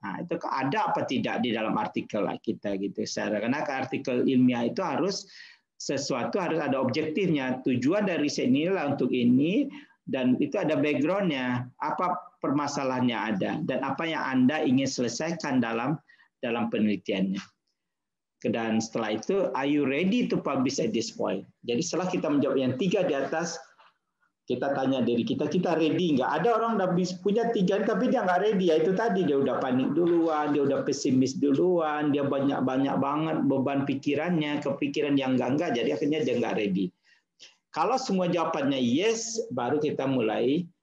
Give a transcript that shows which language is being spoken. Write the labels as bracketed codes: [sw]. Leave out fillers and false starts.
[id] Nah, itu ada apa tidak di dalam artikel kita gitu. Karena artikel ilmiah itu harus sesuatu harus ada objektifnya. Tujuan dari riset ini lah untuk ini dan itu ada background-nya. Apa permasalahannya ada dan apa yang Anda ingin selesaikan dalam penelitiannya. Dan setelah itu, [en] are you ready to publish at this point? [id] Jadi setelah kita menjawab yang tiga di atas, kita tanya diri kita ready nggak? Ada orang udah punya tiga, tapi dia nggak ready. Ya itu tadi, dia udah panik duluan, dia udah pesimis duluan, dia banyak-banyak banget beban pikirannya, kepikiran yang enggak-enggak, jadi akhirnya dia nggak ready. Kalau semua jawabannya yes, baru kita mulai